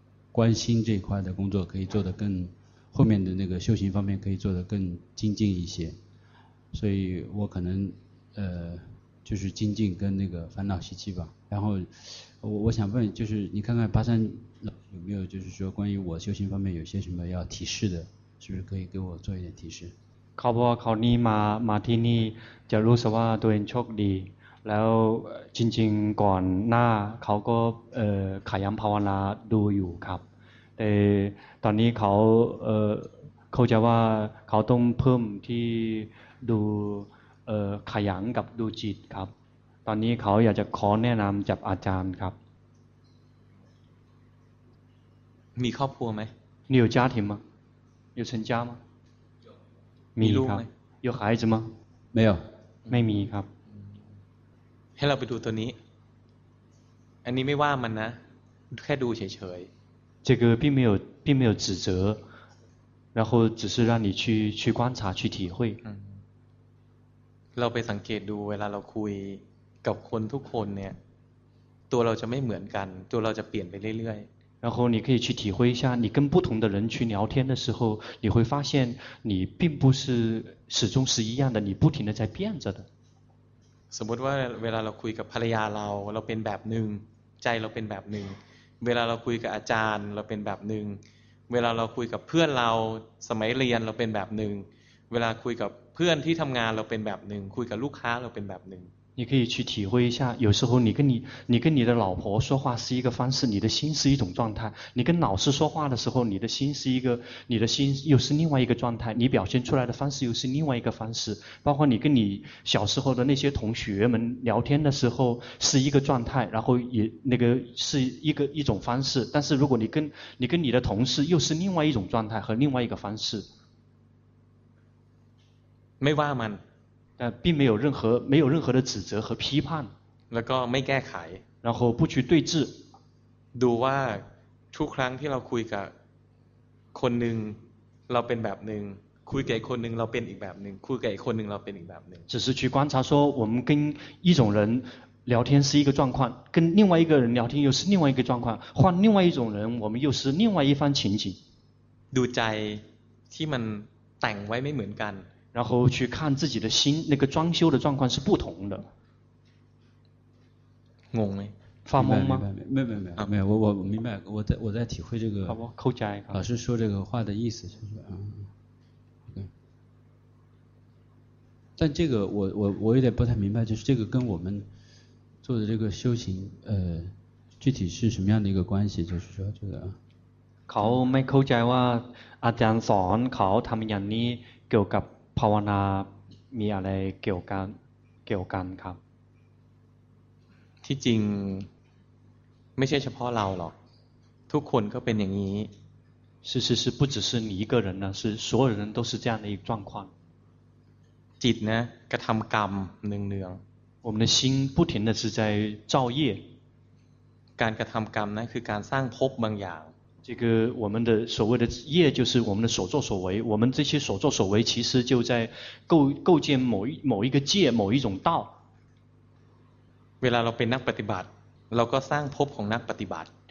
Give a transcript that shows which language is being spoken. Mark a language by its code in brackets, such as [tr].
[zh] 关心这一块的工作可以做得更后面的那个修行方面可以做得更精进一些所以我可能就是精进跟那个烦恼习气吧然后我想问就是你看看巴山有没有就是说关于我修行方面有些什么要提示的是不是可以给我做一点提示考不考你吗马提尼假如说话都很错的 [th] แล้วจริงๆก่อนหน้าเขาก็ขยำภาวนาดูอยู่ครับแต่ตอนนี้เขาเข้าใจว่าเขาต้องเพิ่มที่ดูขยำกับดูจิตครับตอนนี้เขาอยากจะขอแนะนำจากอาจารย์ครับ มีครอบครัวไ หมมีครอบครัวไหมมีครอบครัวไหม มีลูกไหม มีครอบครัวไห มไม่ มีไม่มีครับ ให้เราไปดูตัวนี้อันนี้ไม่ว่ามันนะแค่ดูเฉย [zh] ๆ这个并没有指责然后只是让你去观察去体会 [th] เราไปสังเกตดูเวลาเราคุยกับคนทุกคนเนี่ยตัวเราจะไม่เหมือนกันตัวเราจะเปลี่ยนไปเรื่อย [zh] ๆ然后你可以去体会一下你跟不同的人去聊天的时候你会发现你并不是始终是一样的你不停的在变着的 [th] สมมติว่าเวลาเราคุยกับภรรยาเราเป็นแบบหนึ่งใจเราเป็นแบบหนึ่งเวลาเราคุยกับอาจารย์เราเป็นแบบหนึ่งเวลาเราคุยกับเพื่อนเราสมัยเรียนเราเป็นแบบหนึ่งเวลาคุยกับเพื่อนที่ทำงานเราเป็นแบบหนึ่งคุยกับลูกค้าเราเป็นแบบหนึ่ง [zh] 你可以去体会一下有时候你跟你的老婆说话是一个方式你的心是一种状态你跟老师说话的时候你的心又是另外一个状态你表现出来的方式又是另外一个方式包括你跟你小时候的那些同学们聊天的时候是一个状态然后也那个是一种方式但是如果你跟你的同事又是另外一种状态和另外一个方式没办法但并没有任何的指责和批判 [th] แล้วก็ไม่แก้ไข [zh] 然后不去对峙 [th] ดูว่าทุกครั้งที่เราคุยกับคนหนึ่งเราเป็นแบบหนึ่งคุยกับคนหนึ่งเราเป็นอีกแบบหนึ่งคุยกับอีกคนหนึ่งเราเป็นอีกแบบหนึ่ง [zh] 只是去观察说我们跟一种人聊天是一个状况跟另外一个人聊天又是另外一个状况换另外一种人我们又是另外一番情景 [th] ดูใจที่มันแต่งไว้ไม่เหมือนกัน [zh] 然后去看自己的心那个装修的状况是不同的懵吗发懵吗没有、啊、我明白我在体会这个老师说这个话的意思就是、但这个我有点不太明白就是这个跟我们做的这个修行具体是什么样的一个关系就是说这个 [th] เขาไม่เข้าใจว่าอาจารย์สอนเขาทำอย่างนี้เกี่ยวกับภาวนามีอะไรเกี่ยวกันครับ ที่จริงไม่ใช่เฉพาะเราหรอกทุกคนก็เป็นอย่างนี้ [zh] 是不只是你一个人呢是所有人都是这样的一个状况 [th] จิตนะกระทำกรรมเนือง [zh] ๆ我们的心不停的是在造业 [th] การกระทำกรรมนะคือการสร้างภพบางอย่าง [zh] 这个我们的所谓的业就是我们的所作所为我们这些所作所为其实就在 构建某一个界某一种道 [th] เวลาเราเป็นนักปฏิบัติเราก็สร้างภพของนักปฏิบัติ